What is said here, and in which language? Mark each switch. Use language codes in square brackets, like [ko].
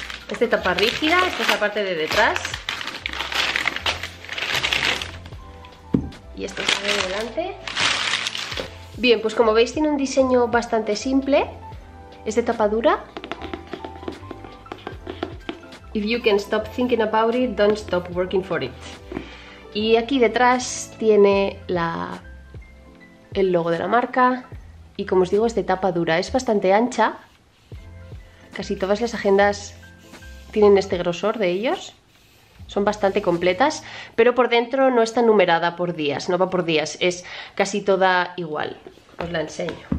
[es] Es de tapa rígida, esta es la parte de detrás. Y esto sale de delante. Bien, pues como veis tiene un diseño bastante simple. Es de tapa dura. [en] If you can stop thinking about it, don't stop working for it. [es] Y aquí detrás tiene el logo de la marca. Y como os digo, es de tapa dura. Es bastante ancha. Casi todas las agendas tienen este grosor de ellos. Son bastante completas, pero por dentro no está numerada por días, no va por días, es casi toda igual. Os la enseño.